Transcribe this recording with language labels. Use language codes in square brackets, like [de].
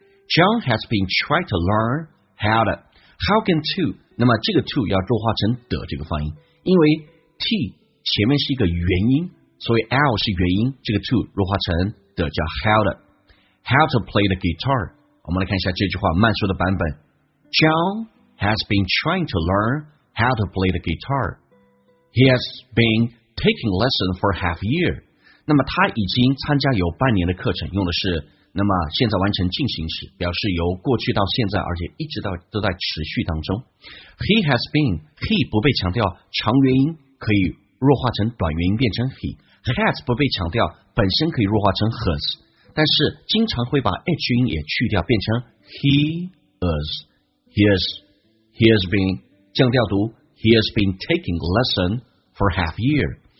[en] John has been trying to learn how to how can to， [zh] 那么这个 to 要弱化成的这个发音，因为 t 前面是一个元音，所以 l 是元音，这个 to 弱化成的叫 how to。 [en] How to play the guitar。 [zh] 我们来看一下这句话慢速的版本。 [en] John has been trying to learn how to play the guitar. He has been taking lessons for half a year. [zh] 那么他已经参加有半年的课程，用的是那么现在完成进行时，表示由过去到现在，而且一直到都在持续当中。 [en] He has been, he [zh] 不被强调，长元音可以弱化成短元音变成 he. Has 不被强调，本身可以弱化成 has. 但是经常会把 H 音也去掉，变成 [en] He has He has been 降调读 He has been taking lesson for half a year.